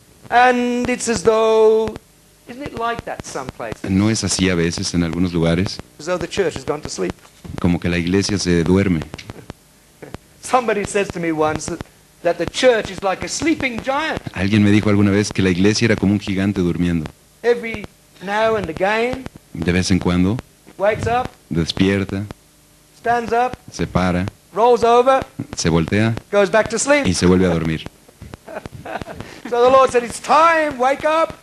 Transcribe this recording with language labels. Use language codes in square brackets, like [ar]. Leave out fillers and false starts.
[en] And it's as though, isn't it like that someplace? [es] ¿No es así a veces en algunos lugares? [en] As though the church has gone to sleep. [es] Como que la iglesia se duerme. [en] Somebody says to me once that the church is like a sleeping giant. [es] Alguien me dijo alguna vez que la iglesia era como un gigante durmiendo. [en] Every now and again. [es] De vez en cuando. [en] Wakes up. [es] Despierta. [en] Stands up. [es] Se para. [en] Rolls over. [es] Se voltea. [en] Goes back to sleep. [es] Y se vuelve a dormir. [en] So the Lord said, "It's time. Wake up."